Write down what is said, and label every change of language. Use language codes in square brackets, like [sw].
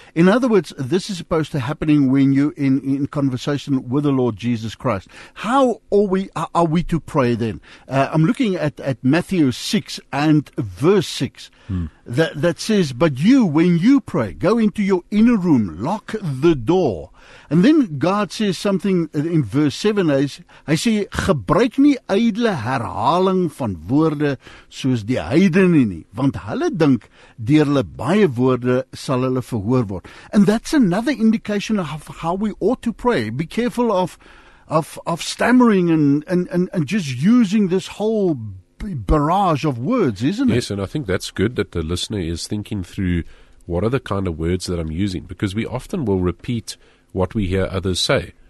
[en] In other words, this is supposed to happen when you're in conversation with the Lord Jesus Christ. How are we to pray then? I'm looking at Matthew 6 and verse 6 that says, but you, when you pray, go into your inner room, lock the door. And then God says something in verse 7. [af] Hy sê, gebruik nie ydele herhaling van woorde soos die heidene nie, want hulle dink deur hulle baie woorde sal hulle verhoor word. [en] And that's another indication of how we ought to pray. Be careful of stammering and just using this whole barrage of words, isn't it? Yes, and I think that's good that the listener is thinking through what are the kind of words that I'm using, because we often will repeat what we hear others say.